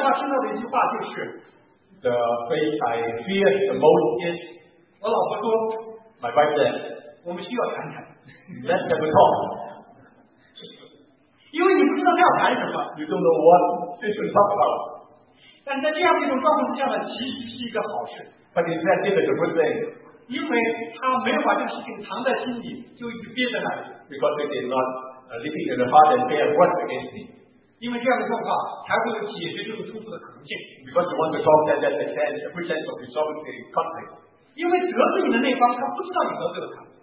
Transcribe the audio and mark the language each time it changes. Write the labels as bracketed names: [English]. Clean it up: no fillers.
[Chinese] 那么我最害怕听到的一句话就是。 [English] The phrase I fear the most is. [Chinese] 我老婆说。 [English] My wife said. [Chinese] 我们需要谈谈。 [English] Let them talk. [Chinese] 因为你不知道要谈什么。 [English] You don't know what they should talk about. [Chinese] 但在这样一种状况之下呢，其实是一个好事。 [English] But in fact, it is a good thing. [Chinese] 因为他没有把这个事情藏在心里，就一直憋在那里。 [English] Because they did not leave it in the heart and bear what against me. [Chinese] 因为这样的状况才会有解决这个冲突的可能性。 [English] Because you want to solve that, that there's a chance of resolving the conflict. [Chinese] 因为得罪你的那方，他不知道你得罪了他。